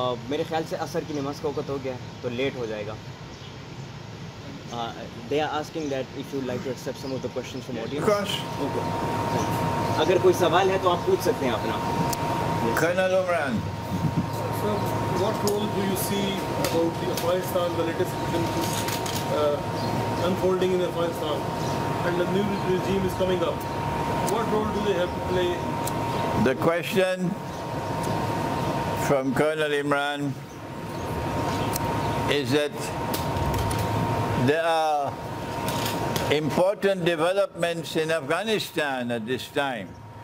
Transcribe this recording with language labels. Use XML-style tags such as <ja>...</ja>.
<hi>मेरे ख्याल से असर की नमाज का वक्त हो गया है तो लेट हो जाएगा.</hi> <en>They are asking that if you'd like to accept some of the questions from audience. Of course. Okay.</en> <hi>अगर कोई सवाल है तो आप पूछ सकते हैं अपना.</hi> <en>Colonel Omran. Sir, what role do you see about the Afghanistan, the latest unfolding in Afghanistan, and the new regime is coming up? What role do they have to play? The question from Colonel Imran is that there are important developments in Afghanistan at this time.</en>